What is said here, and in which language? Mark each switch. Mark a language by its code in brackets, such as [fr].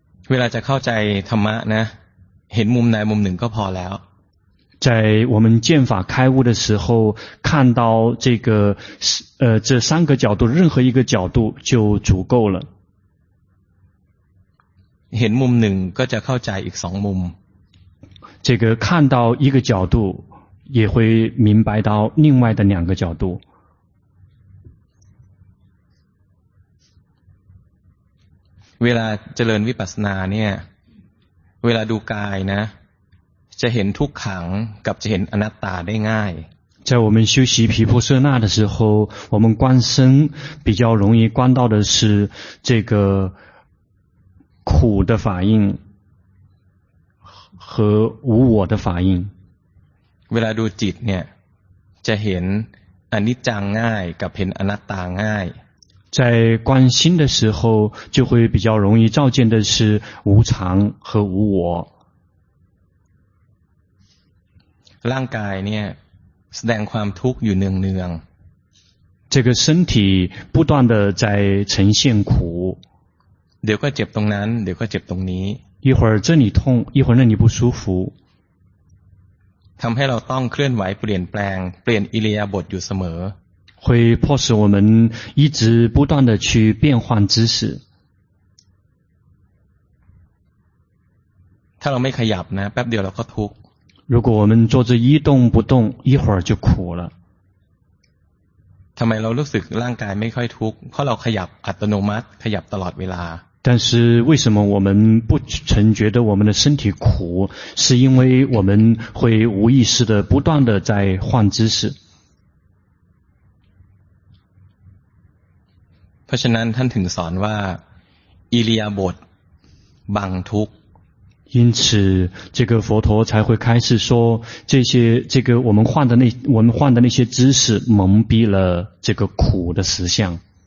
[th] เวลาจะเข้าใจธรรมะนะเห็นมุมใดมุมหนึ่งก็พอแล้ว [zh] 在我们见法开悟的时候看到这个这三个角度任何一个角度就足够了 [th] เห็นมุมหนึ่งก็จะเข้าใจอีกสองมุม [zh] 这个看到一个角度也会明白到另外的两个角度 [th] เวลาเจริญวิปัสสนาเนี่ยเวลาดูกายนะจะเห็นทุกขังกับจะเห็นอนัตตาได้ง่าย [zh] 在我们修习毗婆舍那的时候我们观身比较容易观到的是这个苦的法印和无我的法印 [th] เวลาดูจิตเนี่ยจะเห็นอนิจจังง่ายกับเห็นอนัตตาง่าย [zh] 在观心的时候就会比较容易照见的是无常和无我 [th] ร่างกายเนี่ยแสดงความทุกข์อยู่เนือง [zh] ๆ这个身体不断的在呈现苦 [th] เดี๋ยวก็เจ็บตรงนั้นเดี๋ยวก็เจ็บตรงนี้ [zh] 一会儿这里痛一会儿那里不舒服 [th] ทำให้เราต้องเคลื่อนไหวเปลี่ยนแปลงเปลี่ยนอิริยาบถอยู่เสมอ [zh] 会迫使我们一直不断的去变换姿势 [th] ถ้าเราไม่ขยับนะแป๊บเดียวเราก็ทุกข์ [zh] 如果我们坐着一动不动一会儿就苦了 [th] ทำไมเรารู้สึกร่างกายไม่ค่อยทุกข์เพราะเราขยับอัตโนมัติขยับตลอดเวลา [zh] 但是为什么我们不曾觉得我们的身体苦是因为我们会无意识的不断的在换姿势 [th] เพราะฉะนั้นท่านถึงสอนว่าอิริยาบถบังทุกข์ [zh] 因此这个佛陀才会开始说这些这个我们换的那些姿势蒙蔽了这个苦的实相